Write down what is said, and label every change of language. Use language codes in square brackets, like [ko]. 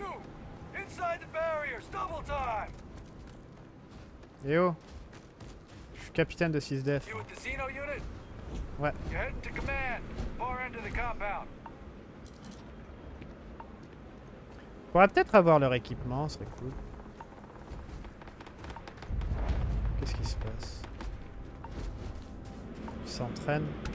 [en] You, inside the barriers, double time. [fr] Et oh, je suis capitaine de 6 def. [en] You with the Xeno unit? [fr] Ouais. [en] You head to command, far end of the compound. [fr] On pourrait peut-être avoir leur équipement, ce serait cool. Qu'est-ce qui se passe? Ils s'entraînent.